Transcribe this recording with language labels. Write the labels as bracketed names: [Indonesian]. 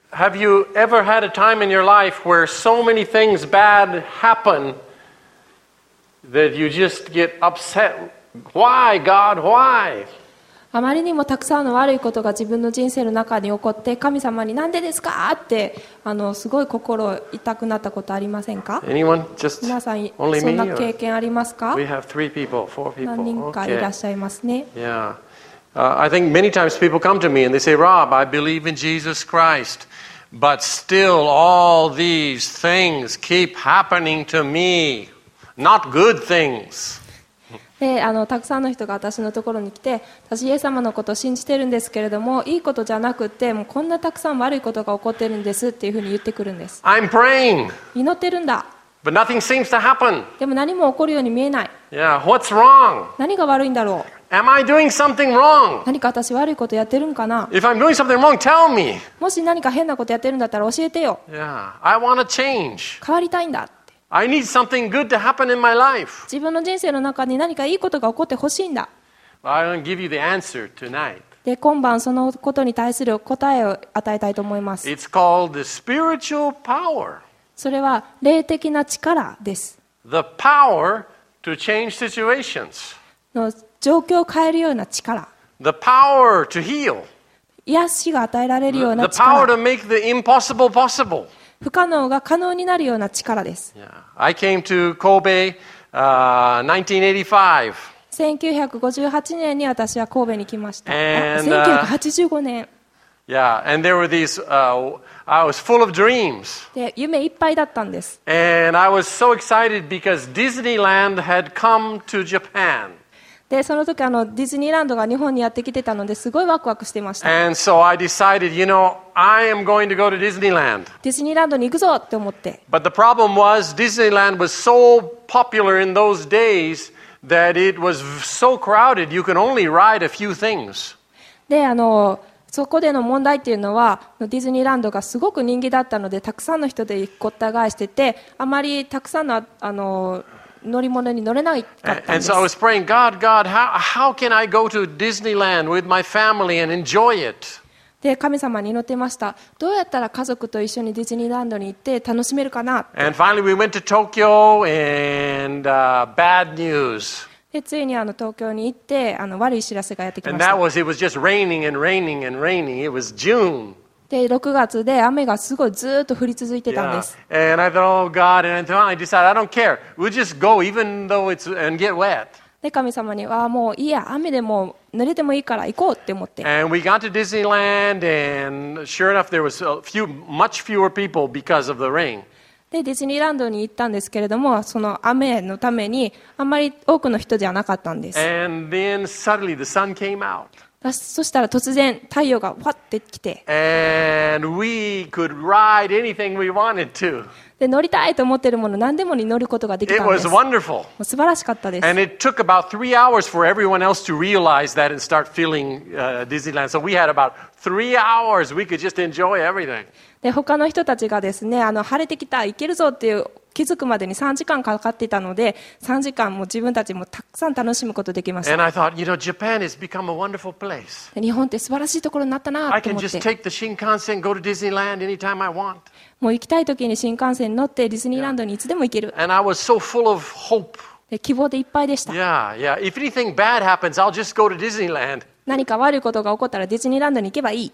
[English] Have you ever had a time in your life where so many things bad happen that you just get upset? Why, God, why? [Japanese] あまりにもたくさんの悪いことが自分の人生の中に起こって、神様になんでですかってすごい心痛くなったことありませんか？ [English] Anyone? Just [Japanese] 皆さん、 [English] only me? [Japanese] そんな経験ありますか？ [English] We have three people, four people. [Japanese] 何人かいらっしゃいますね。 [English] Okay. Yeah. I think many times people come to me and they say, Rob, I believe in Jesus Christ, but still all these things keep happening to me. Not good things. [Japanese] で、たくさんの人が私のところに来て、私イエス様のことを信じてるんですけれども、いいことじゃなくて、もうこんなたくさん悪いことが起こってるんですっていうふうに言ってくるんです。 [English] I'm praying. [Japanese] 祈ってるんだ。 [English] But nothing seems to happen. [Japanese] でも何も起こるように見えない。 [English] Yeah, what's wrong? [Japanese] 何が悪いんだろう。 [English] Am I doing something wrong? [Japanese] 何か私悪いことやってるんかな。 [English] If I'm doing something wrong, tell me. [Japanese] もし何か変なことやってるんだったら教えてよ。 [English] Yeah, I want to change. [Japanese] 変わりたいんだって。 [English] I need something good to happen in my life. [Japanese] 自分の人生の中に何かいいことが起こってほしいんだ。 [English] Well, I'm going to give you the answer tonight. [Japanese] で、今晩そのことに対する答えを与えたいと思います。 [English] It's called the spiritual power. [Japanese] それは霊的な力です。 [English] The power to change situations. [Japanese] の状況を変えるような力。 [English] The power to heal. [Japanese] 癒しが与えられるような力。 [English] The power to make the impossible possible. [Japanese] 不可能が可能になるような力です。 [English] Yeah. I came to Kobe, 1985. [Japanese] 1985年に私は神戸に来ました。 [English] And, [Japanese] 1985年。 [English] Yeah, and there were these, I was full of dreams. [Japanese] で、夢いっぱいだったんです。 [English] And I was so excited because Disneyland had come to Japan. [Japanese] で、その時ディズニーランドが日本にやってきてたので、すごいワクワクしてました。 [English] And so I decided, you know, I am going to go to Disneyland. [Japanese] ディズニーランドに行くぞって思って。 [English] But the problem was, Disneyland was so popular in those days that it was so crowded you could only ride a few things. [Japanese] で、そこでの問題っていうのは、ディズニーランドがすごく人気だったので、たくさんの人でごった返してて、あまりたくさんの乗り物に乗れなかったんです。 [English] And so I was praying, God, God, how can I go to Disneyland with my family and enjoy it? [Japanese] で、神様に祈ってました。どうやったら家族と一緒にディズニーランドに行って楽しめるかな。 [English] And finally we went to Tokyo and bad news. [Japanese] で、ついに東京に行って悪い知らせがやってきました。 [English] And that was, it was just raining and raining and raining. It was June. [Japanese] で、6月で雨がすごいずっと降り続いてたんです。 [English] Yeah. And I thought, oh God, and then I decided, I don't care. We'll just go even though it's, and get wet. [Japanese] で、神様に、ああ、もういいや、雨でも濡れてもいいから行こうって思って。 [English] And we got to Disneyland, and sure enough, there was much fewer people because of the rain. [Japanese] で、ディズニーランドに行ったんですけれども、その雨のためにあんまり多くの人じゃなかったんです。 [English] And then suddenly the sun came out. [Japanese] そしたら突然太陽がファッて来て、 [English] And we could ride anything we wanted to. [Japanese] で、乗りたいと思っているもの何でもに乗ることができたんです。 [English] It was wonderful. [Japanese] 素晴らしかったです。 [English] And it took about 3 hours for everyone else to realize that and start feeling Disneyland. So we had about 3 hours we could just enjoy everything. [Japanese] で、他の人たちがですね、晴れてきた、行けるぞっていう気づくまでに3時間かかっていたので、3時間も自分たちもたくさん楽しむことができました。 [English] And I thought, you know, Japan has become a wonderful place. [Japanese] 日本って素晴らしいところになったなと思って。 [English] I can just take the Shinkansen, go to Disneyland anytime I want. [Japanese] もう行きたい時に新幹線乗ってディズニーランドにいつでも行ける。 [English] And I was so full of hope. [Japanese] で、希望でいっぱいでした。 [English] Yeah, yeah. If anything bad happens, I'll just go to Disneyland. [Japanese] 何か悪いことが起こったらディズニーランドに行けばいい。